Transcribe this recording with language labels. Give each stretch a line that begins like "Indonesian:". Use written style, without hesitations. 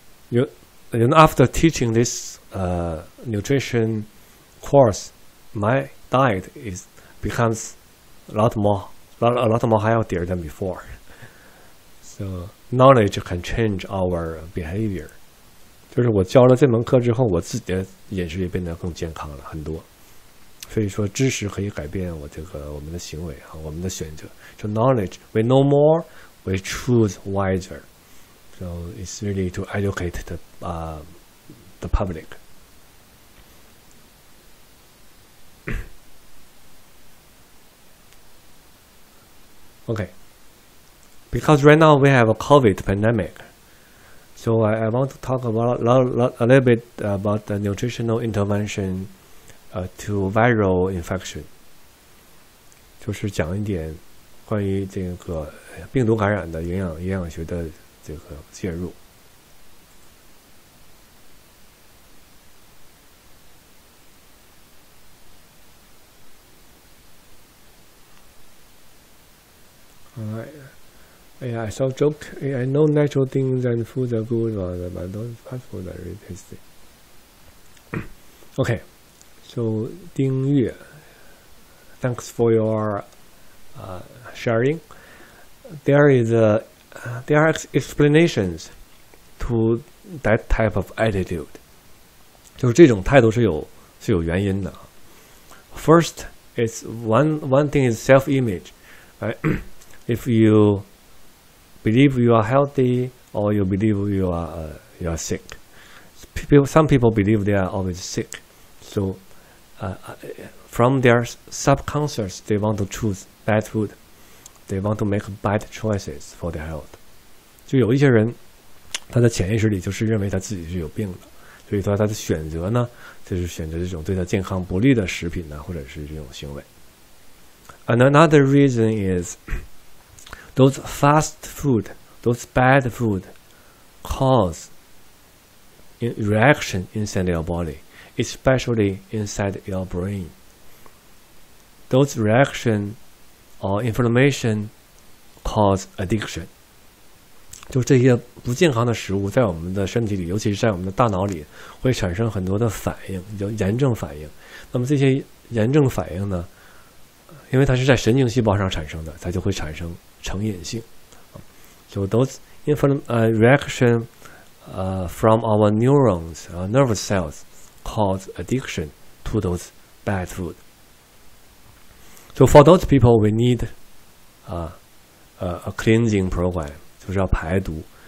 English: You know, after teaching this nutrition course, my diet becomes a lot more healthier than before. So knowledge can change our behavior.
Chinese: 就是我教了这门课之后，我自己的饮食也变得更健康了很多。所以说，知识可以改变我们的行为啊，我们的选择。
English: So knowledge, we know more, we choose wiser. So it's really to educate the public. Okay, because right now we have a COVID pandemic, so I want to talk a little bit about the nutritional intervention to viral infection.
Chinese: 就是讲一点关于这个病毒感染的营养学的这个介入。
English: Yeah, I saw joke. I know natural things and foods are good, but those fast food are really tasty. Okay, so Ding Yu, thanks for your sharing. There are explanations to that type of attitude.
Chinese: 就是这种态度是有原因的。
English: First, it's one thing is self-image, right? If you believe you are healthy or you believe you are sick. Some people believe they are always sick. So from their subconscious, they want to choose bad food. They want to make bad choices for their health.
Chinese: 就有一些人他的潜意识里就是认为他自己是有病的。所以说他的选择呢就是选择这种对他健康不利的食品呢或者是这种行为。
English: And another reason is those fast food, those bad food cause reaction inside your body, especially inside your brain. Those reaction or inflammation cause addiction.
Chinese: 就这些不健康的食物在我们的身体里，尤其是在我们的大脑里，会产生很多的反应，叫炎症反应。那么这些炎症反应呢，因为它是在神经细胞上产生的，它就会产生成瘾性。
English: So those reaction from our neurons, nervous cells, cause addiction to those bad food. So for those people, we need a cleansing program,
Chinese: 就是要排毒。